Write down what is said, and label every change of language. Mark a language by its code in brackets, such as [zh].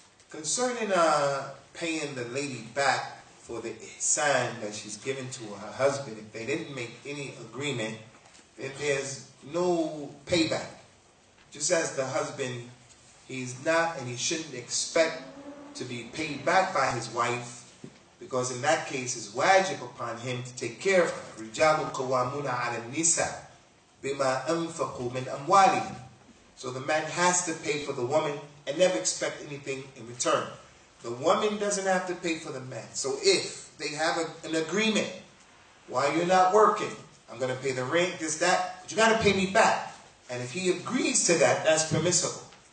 [en] Concerning paying the lady back for the ihsan that she's given to her husband, if they didn't make any agreement, then there's no payback. Just as the husband, he's not and he shouldn't expect to be paid back by his wife, because in that case it's wajib upon him to take care of her. [ar] رجال قوامون على النساء بما أنفقوا من أموالهم. [en] So the man has to pay for the woman and never expect anything in return. The woman doesn't have to pay for the man. So if they have an agreement, while you're not working, I'm going to pay the rent, this, that, but you got to pay me back. And if he agrees to that, that's permissible.